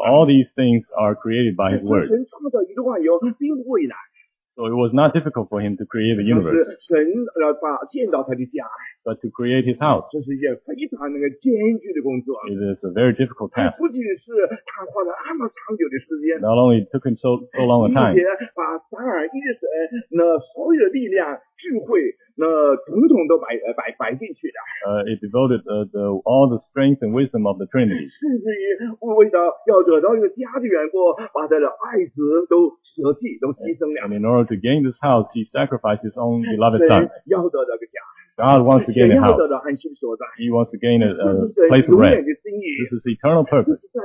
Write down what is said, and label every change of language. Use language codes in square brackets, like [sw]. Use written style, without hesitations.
[en] all these things are created by His word. [zh] 神创造宇宙万有, [en] so it was not difficult for him to create the universe. [zh] 神把建造他的家, [en] but to create his house. [zh] 这是一件非常那个艰巨的工作, [en] it is a very difficult task. [zh] 不仅是他花了那么长久的时间, [en] not only took him so long a time. [zh] 而且把三而一神那所有的力量, 智慧, 那统统都摆进去了, [en] it devoted all the strength and wisdom of the Trinity. [zh] 甚至于为了要得到一个家的缘故, 把他的爱子都舍弃, 都牺牲了, [en] and in order to gain this house, he sacrificed his own beloved son. [zh] 要得到个家, [en] God wants to gain a house. He wants to gain a place of rest. This is eternal purpose.